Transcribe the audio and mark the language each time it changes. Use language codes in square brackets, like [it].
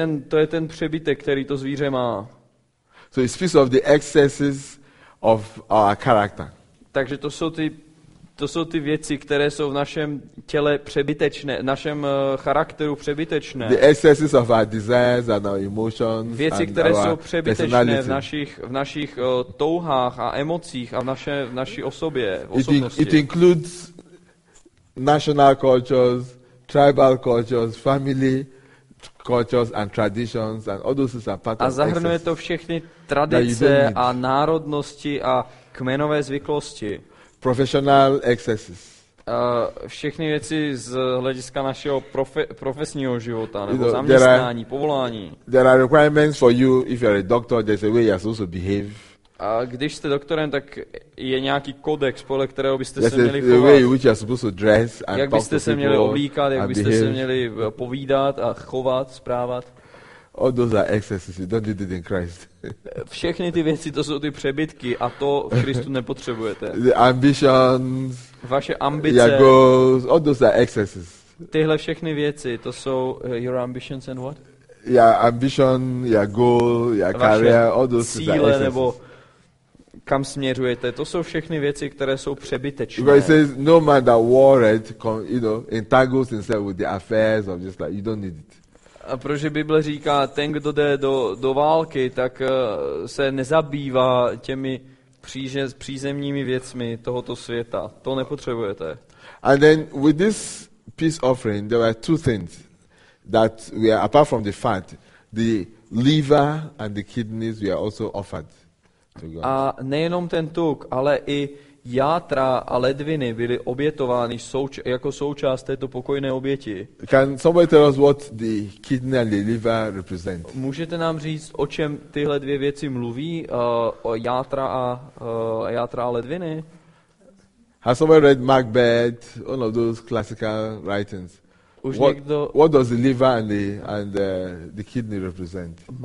[cs] To je ten přebytek, který to zvíře má. [en] So it speaks of the excesses of our character. [cs] Takže to jsou ty věci, které jsou v našem těle přebytečné, v našem charakteru přebytečné. [en] The excesses of our desires and our emotions. [cs] Věci, [en] and [cs] které [en] our [cs] jsou přebytečné v našich touhách a emocích a v naší osobě, v osobnosti. [en] It includes national cultures, tribal cultures, family cultures and traditions and all those things are part of excesses. [cs] A zahrnuje to všechny tradice a národnosti a kmenové zvyklosti. [en] Professional excesses. [cs] Všechny věci z hlediska našeho profesního života nebo zaměstnání, povolání. [en] There are requirements for you if you're a doctor. There's a way you're supposed to behave. [cs] Když jste doktorem, tak je nějaký kodex, podle kterého byste [en] there's [cs] se měli chovat. [en] Way which you're supposed to dress and [cs] jak byste se měli oblíkat, jak byste se měli povídat a chovat, správat. [en] All those are excesses. You don't need it in Christ. [cs] Všechny ty věci, to jsou ty přebytky a to v Kristu nepotřebujete. [en] The ambitions, [cs] vaše ambice, [en] your goals, all those are excesses. [cs] Tyhle všechny věci, to jsou [en] your ambitions and what? Your ambition, your goal, your career, all those [cs] cíle, [en] are excesses. [cs] Nebo kam směřujete, to jsou všechny věci, které jsou přebytečné. [en] Because it says, no man that warred, you know, entangles himself with the affairs of just like, you don't need it. [cs] A protože Bible říká, ten, kdo jde do války, tak se nezabývá těmi přízemními věcmi tohoto světa. To nepotřebujete. [en] And then with this peace offering, there were two things that we are, apart from the fat, the liver and the kidneys we are also offered to God. [cs] A nejenom ten tuk, ale i játra a ledviny byly obětovány jako součást této pokojné oběti. [en] Can somebody tell us what the kidney and the liver represent? [cs] Můžete nám říct, o čem tyhle dvě věci mluví, játra a ledviny? [en] Has somebody read Macbeth, one of those classical writings? What does the liver and the kidney represent?